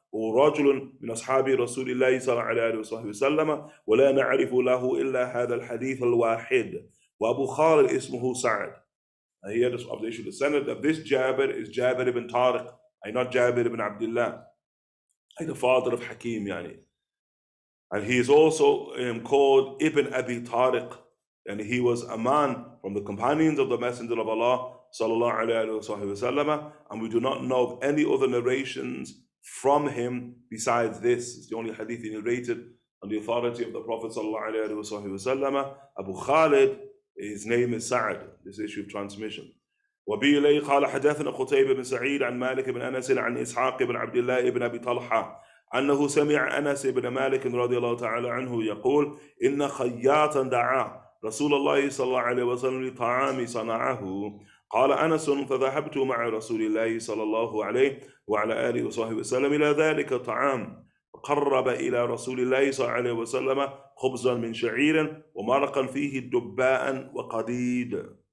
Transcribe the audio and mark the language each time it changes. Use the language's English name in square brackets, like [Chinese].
[Arabic] ورجل من أصحاب رسول الله صلى الله عليه وصحبه وسلم ولا نعرف له إلا هذا الحديث الواحد وأبو خالد اسمه سعد. [English] He had the issue of the Senate that this Jabir is Jabir ibn Tariq and not Jabir ibn Abdullah. He's the father of Hakim, يعني. And he is also called Ibn Abi Tariq, and he was a man from the companions of the Messenger of Allah صلى الله عليه وصحبه وسلم. And we do not know of any other narrations from him besides this. It's the only hadith he narrated on the authority of the Prophet sallallahu alayhi wa sallam. Abu Khalid, his name is Sa'ad, this issue of transmission. [Arabic] وَبِي إِلَيْهِ قَالَ حَدَثْنَا قُتَيْبَ بِنْ سَعِيدَ عَنْ مَالِكِ بِنْ أَنَسٍ عَنْ إِسْحَاقِ بِنْ عَبْدِ اللَّهِ بِنْ أَبِي طَلْحَى أَنَّهُ سَمِعَ أَنَسِ بِنْ مَالِكٍ رَضِيَ اللَّهُ تَعَالَى عَنْهُ يَقُولُ إِنَّ خَيَّاطًا دَعَى رَسُولَ اللَّهِ صَلَّى عَلَيْهِ وَسَلَّمَ لِطَعَامِ صَنَعَهُ قال أنس فذهبت مع رسول الله صلى الله عليه وعلى آله وصحبه وسلم إلى ذلك طعام قرب إلى رسول الله صلى الله عليه وسلم خبزا من شعير ومرقا فيه دباء وقديد.